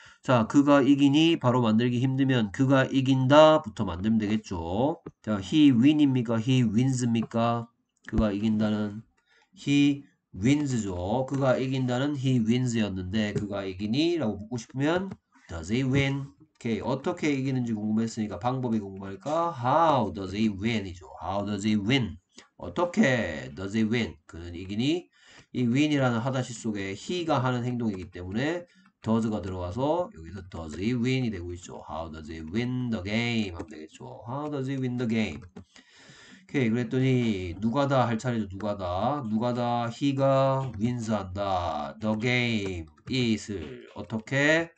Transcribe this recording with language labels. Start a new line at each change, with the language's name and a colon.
Korean: 자, 그가 이기니 바로 만들기 힘들면 그가 이긴다부터 만들면 되겠죠. 자, he win입니까?
English: he wins
Korean: 입니까? 그가 이긴다는
English: He wins죠.
Korean: 그가 이긴다는 he wins였는데 그가 이기니라고 묻고 싶으면
English: does he win?
Korean: 오케이. 어떻게 이기는지 궁금했으니까 방법이 궁금할까?
English: How does he win이죠. How does he win?
Korean: 어떻게
English: does he win?
Korean: 그는 이기니? 이 win이라는 하다시 속에 he가 하는 행동이기 때문에 does가 들어가서 여기서
English: does he win
Korean: 이 되고 있죠.
English: How does he win the game?
Korean: 하면 되겠죠.
English: How does he win the game? 오케이.
Korean: 그랬더니 누가다 할 차례죠. 누가다. 누가다 he가 wins 한다. The game is을 어떻게?